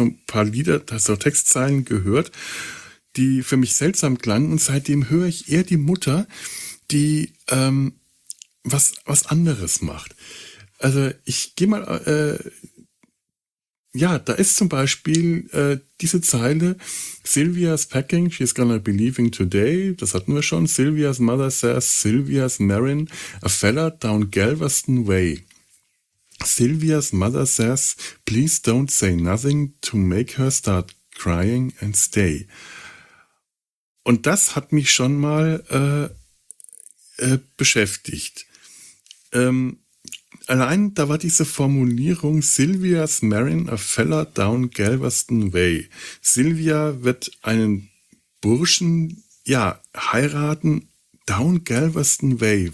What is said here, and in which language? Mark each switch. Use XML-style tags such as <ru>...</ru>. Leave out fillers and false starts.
<de>Habe ich so ein paar Textzeilen gehört, die für mich seltsam klangen, und seitdem höre ich eher die Mutter, die was anderes macht. Also ich gehe mal, da ist zum Beispiel diese Zeile: Sylvia's packing, she's gonna be leaving today, das hatten wir schon.</de> <en>Sylvia's mother says, Sylvia's marrying a fella down Galveston way. Sylvia's mother says, please don't say nothing to make her start crying and stay.</en> <de>Und das hat mich schon mal beschäftigt.</de> <en>Allein da war diese Formulierung: Sylvia's marrying a fella down Galveston way.</en> <de>Sylvia wird einen Burschen heiraten down Galveston way.</de>